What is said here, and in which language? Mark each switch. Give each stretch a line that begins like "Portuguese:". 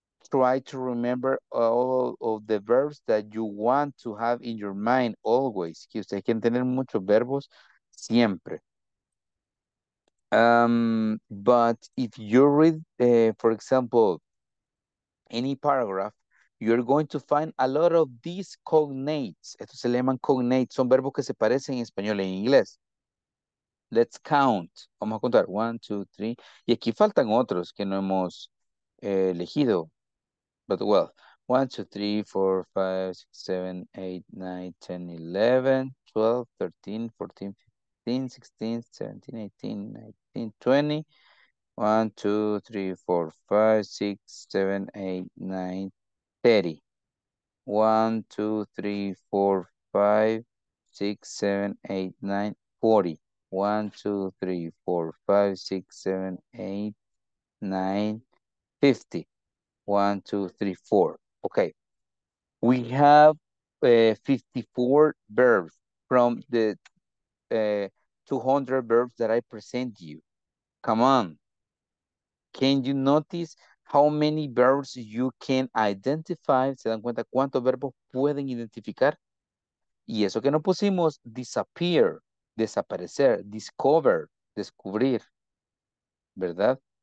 English: Try to remember all of the verbs that you want to have in your mind always.
Spanish: Que ustedes quieren tener muchos verbos siempre.
English: But if you read, for example, any paragraph, you're going to find a lot of these cognates.
Spanish: Estos se llaman cognates. Son verbos que se parecen en español e inglés.
English: Let's count.
Spanish: Vamos a contar.
English: One, two, three.
Spanish: Y aquí faltan otros que no hemos elegido.
English: But well. One, two, three, four, five, six, seven, eight, nine, ten, 11, 12, 13, 14, 15, 16, 17, 18, 19, 20. 1, 2, 3, 4, 5, 6, 7, 8, 9, 30. 1, 2, 3, 4, 5, 6, 7, 8, 9, 40. 1, 2, 3, 4, 5, 6, 7, 8, 9, 50. 1, 2, 3, 4. Okay. We have 54 verbs from the 200 verbs that I present you. Come on. Can you notice how many verbs you can identify?
Spanish: ¿Se dan cuenta cuántos verbos pueden identificar? Y eso que no pusimos, disappear, desaparecer, discover, descubrir, ¿verdad?